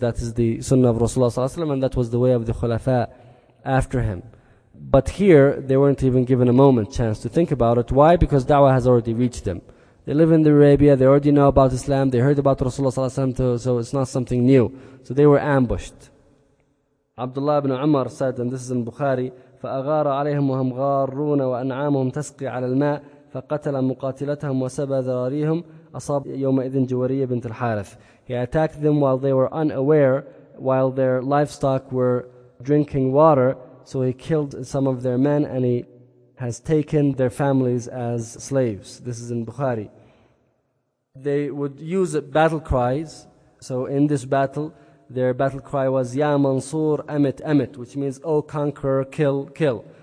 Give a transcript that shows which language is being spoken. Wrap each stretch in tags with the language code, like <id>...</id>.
<en>That is the sunnah of Rasulullah sallallahu alayhi wa sallam, and that was the way of the khulafa after him. But here, they weren't even given a moment chance to think about it. Why? Because da'wah has already reached them. They live in the Arabia, they already know about Islam, they heard about Rasulullah sallallahu alayhi wa sallam, so it's not something new. So they were ambushed. Abdullah ibn Umar said, and this is in Bukhari,</en> <ar>فَأَغَارَ عَلَيْهِمْ وَهُمْ غَارُونَ وَأَنْعَامُهُمْ تَسْقِي عَلَى الْمَاءِ فَقَتَلَ مُقَاتِلَتَهُمْ وَسَبَى ذَرَارِيهُمْ أَصَابَ يَوْمَئِذٍ جُوَرِيَّ بِنْتِ الْحَارِثِ.</ar> <en>He attacked them while they were unaware, while their livestock were drinking water, so he killed some of their men and he has taken their families as slaves. This is in Bukhari. They would use battle cries. So in this battle, their battle cry was, Ya Mansur, Amit, Amit, which means, O conqueror, kill, kill.</en>